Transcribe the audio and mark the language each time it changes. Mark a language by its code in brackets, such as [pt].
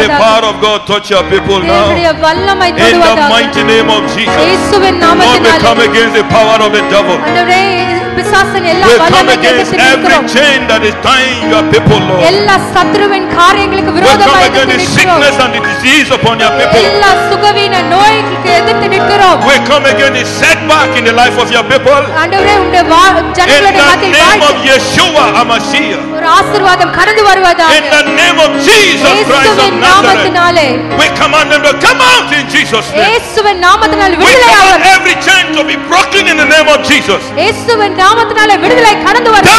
[en] Let the power of God touch your people now. [ta] வல்லமை தொடுவதாக. [en] In the mighty name of Jesus. [ta] இயேசுவின் நாமத்தினாலே. [en] Lord, we come against the power of the devil. We come against every chain that is tying your people, Lord. [ta] எல்லா சத்துருவின் காரியங்களுக்கு விரோதமாய் நாம் நிற்கிறோம். [en] We come against the sickness and the disease upon your people. [ta] எல்லா சுகவீன நோய்களுக்கு எதிர்த்து நிற்கிறோம். [en] We come against the setback in the life of your people. [ta] ஆண்டவரே, உம்முடைய ஜனங்களுடைய மத்தியில் [en] In the name of Yeshua Amashiah. [ta] ஒரு ஆசீர்வாதம் கடந்து வருவதாக. [en] In the name of Jesus Christ of Nazareth. [ta] நாமத்தினாலே. [en] We command them to come out in Jesus' name. [ta] இயேசுவின் நாமத்தினாலே விடுதலை ஆவர். [en] We command every chain to be broken in the name of Jesus. [ta] இயேசுவின் நாமத்தினாலே விடுதலை கடந்து வருவதாக.